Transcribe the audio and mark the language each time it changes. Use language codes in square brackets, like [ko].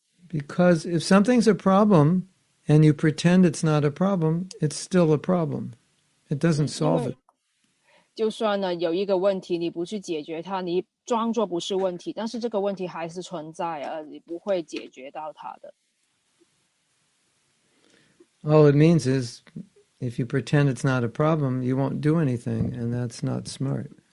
[en] Because if something's a problem and you pretend it's not a problem, it's still a problem. It doesn't solve it. [zh] 就算呢，有一个问题，你不去解决它，你装作不是问题，但是这个问题还是存在，你不会解决到它的。 [en] All it means is, if you pretend it's not a problem, you won't do anything, and that's not smart.